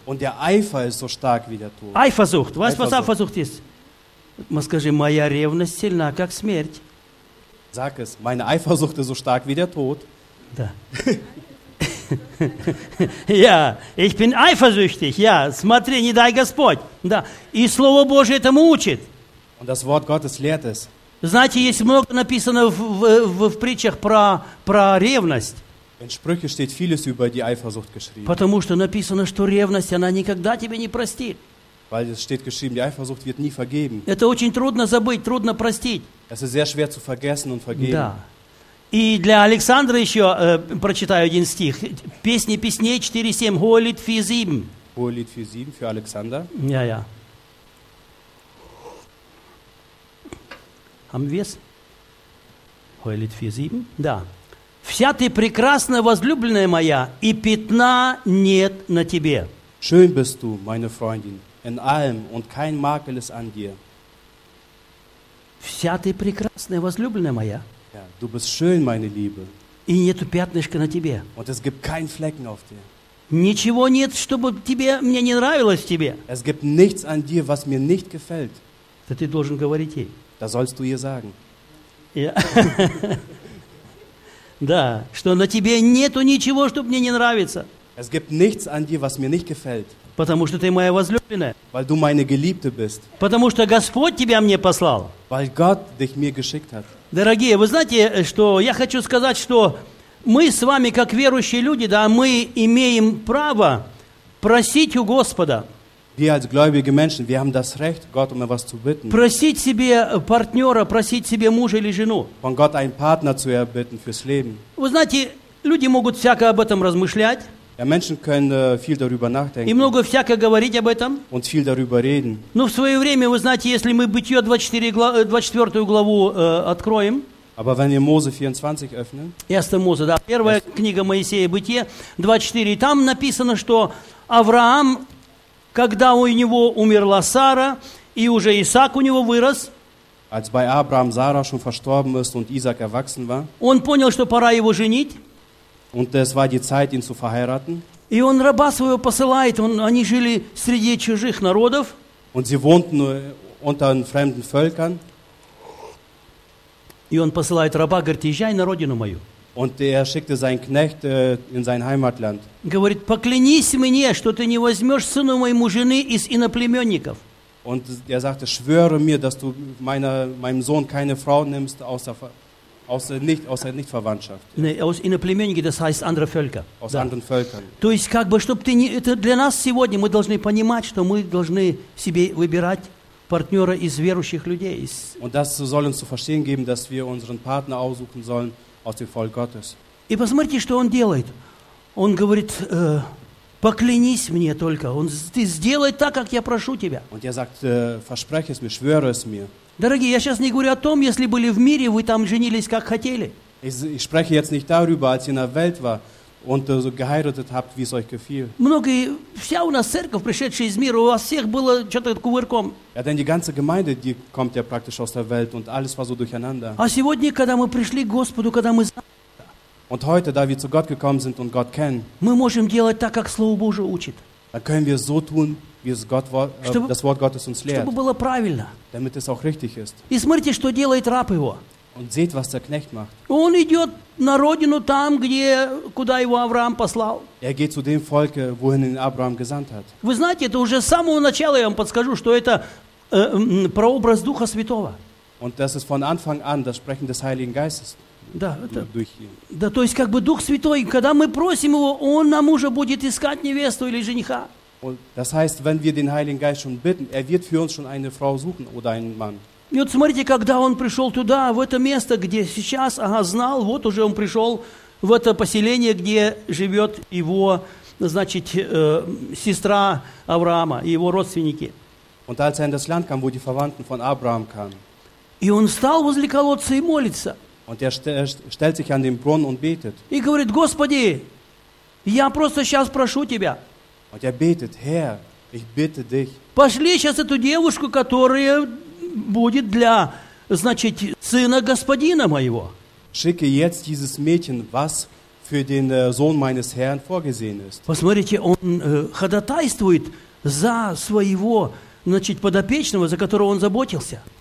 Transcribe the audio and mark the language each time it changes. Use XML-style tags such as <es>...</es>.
<de>Und der Eifer ist so stark wie der Tod. Eifersucht. Weißt du, was Eifersucht ist?</de> <ru>Man скажи, моя ревность сильна, как смерть.</ru> <de>Sag es, meine Eifersucht ist so stark wie der Tod.</de> <ru>Да. Я,</ru> <de>ich bin eifersüchtig.</de> <ru>Я, смотри, не дай Господь. Да. И Слово Божие этому учит.</ru> <de>Und das Wort Gottes lehrt es.</de> <ru>Знаете, есть много написано в притчах про ревность.</ru> <de>In Sprüchen steht vieles über die Eifersucht geschrieben.</de> <ru>Потому что написано, что ревность, она никогда тебе не простит.</ru> <de>Weil es steht geschrieben, die Eifersucht wird nie vergeben.</de> <ru>Это очень трудно забыть, трудно простить.</ru> <de>Es ist sehr schwer zu vergessen und vergeben.</de> <ru>Да. И для Александра еще прочитаю один стих. Песни песней 4.7.</ru> <de>Hohelied 4.7. Hohelied 4.7 für Alexander. Ja, ja. Haben wir es? Hohelied 4.7?</de> <ru>Да. Вся ты прекрасна, возлюбленная моя, и пятна нет на тебе.</ru> <de>Schön bist du, meine Freundin. In allem und kein Makel ist an dir.</de> <ru>Вся ты прекрасная, возлюбленная моя.</ru> <de>Ja, du bist schön, meine Liebe.</de> <ru>И нету пятнышка на тебе.</ru> <de>Und es gibt keinen Flecken auf dir.</de> <ru>Ничего нет, чтобы тебе мне не нравилось в тебе.</ru> <de>Es gibt nichts an dir, was mir nicht gefällt.</de> <ru>Да ты должен говорить ей.</ru> <de>Das sollst du ihr sagen. Ja.</de> <ru>Да, что на тебе нету ничего, чтобы мне не нравиться.</ru> <de>Es gibt nichts an dir, was mir nicht gefällt.</de> <ru>Потому что ты моя возлюбленная.</ru> <de>Weil du meine Geliebte bist.</de> <ru>Потому что Господь тебя мне послал.</ru> <de>Weil Gott dich mir geschickt hat.</de> <ru>Дорогие, вы знаете, что я хочу сказать, что мы с вами, как верующие люди, да, мы имеем право просить у Господа.</ru> <de>Wir als gläubige Menschen, wir haben das Recht, Gott um etwas zu bitten.</de> <ru>Просить себе партнера, просить себе мужа или жену.</ru> <de>Von Gott einen Partner zu erbitten fürs Leben.</de> <ru>Вы знаете, люди могут всякое об этом размышлять.</ru> <de>Ja, Menschen können viel darüber nachdenken.</de> <ru>И много всякое говорить об этом.</ru> <de>Und viel darüber reden.</de> <ru>Но в свое время, вы знаете, если мы Бытие 24 главу откроем.</ru> <de>Aber wenn wir Mose 24 öffnen. Erste Mose,</de> <ru>да. Первая книга Моисея, Бытие 24. Там написано, что Авраам, когда у него умерла Сара, и уже Исаак у него вырос.</ru> <de>Als bei Abraham Sarah schon verstorben ist und Isaac erwachsen war.</de> <ru>Он понял, что пора его женить.</ru> <de>Und es war die Zeit, ihn zu verheiraten.</de> <ru>И он раба своего посылает. Они жили среди чужих народов.</ru> <de>Und sie wohnten unter fremden Völkern.</de> <ru>И он посылает раба, говорит, езжай на родину мою.</ru> <de>Und er schickte seinen Knecht in sein Heimatland.</de> <ru>Говорит, поклянись мне, что ты не возьмешь сыну моему жены из иноплеменников.</ru> <de>Und er sagte, schwöre mir, dass du meinem Sohn keine Frau nimmst aus der Aus der Nichtverwandtschaft. Nee, aus иноплеменники, das heißt andere Völker. Aus da. Anderen Völkern.</de> <ru>То есть, как бы, чтобы ты не... Это для нас сегодня, мы должны понимать, что мы должны себе выбирать партнера из верующих людей. Из...</ru> <de>Und das soll uns zu verstehen geben, dass wir unseren Partner aussuchen sollen aus dem Volk Gottes.</de> <ru>И посмотрите, что он делает. Он говорит, поклянись мне только. Ты сделай так, как я прошу тебя.</ru> <de>Und er sagt, verspreche es mir, schwöre es mir.</de> <ru>Дорогие, я сейчас не говорю о том, если были в мире, вы там женились, как хотели.</ru> <de>Ich spreche jetzt nicht darüber, als ihr in der Welt war und so geheiratet habt, wie es euch gefiel.</de> <ru>Многие, вся у нас церковь, пришедшая из мира, у вас всех было что-то кувырком.</ru> <de>Ja, denn die ganze Gemeinde, die kommt ja praktisch aus der Welt und alles war so durcheinander.</de> <ru>А сегодня, когда мы пришли к Господу, когда мы знаем,</ru> <de>und heute, da wir zu Gott gekommen sind und Gott kennen,</de> <ru>мы можем делать так, как Слово Божие учит.</ru> <de>Dann können wir so tun, wie es Gott,</de> <ru>чтобы,</ru> <de>das Wort Gottes uns lehrt.</de> <ru>Чтобы было правильно.</ru> <de>Damit es auch richtig ist.</de> <ru>И смотрите, что делает раб его.</ru> <de>Und seht, was der Knecht macht.</de> <ru>Он идет на родину там, где, куда его Авраам послал.</ru> <de>Er geht zu dem Volke, wohin ihn Abraham gesandt hat.</de> <ru>Вы знаете, это уже с самого начала я вам подскажу, что это прообраз Духа Святого.</ru> <de>Und das ist von Anfang an das Sprechen des Heiligen Geistes.</de> <ru>Да, это, да, то есть как бы Дух Святой, когда мы просим его, он нам уже будет искать невесту или жениха.</ru> <de>Und das heißt, wenn wir den Heiligen Geist schon bitten, er wird für uns schon eine Frau suchen oder einen Mann.</de> <ru>И вот смотрите, когда он пришел туда, в это место, где сейчас, ага, знал, вот уже он пришел в это поселение, где живет его, значит, сестра Авраама и его родственники.</ru> <de>Und als er in das Land kam, wo die Verwandten von Abraham kamen.</de> <ru>И он встал возле колодца и молится.</ru> <de>Und er stellt sich an den Brunnen und betet.</de> <ru>И говорит, Господи, я просто сейчас прошу тебя.</ru> <de>Und er betet, Herr, ich bitte dich.</de> <ru>Пошли сейчас эту девушку, которая будет для, значит, сына господина моего.</ru> <de>Schicke jetzt dieses Mädchen, was für den Sohn meines Herrn vorgesehen ist.</de> <ru>Посмотрите, он ходатайствует за своего, значит, подопечного, за которого он заботился.</ru>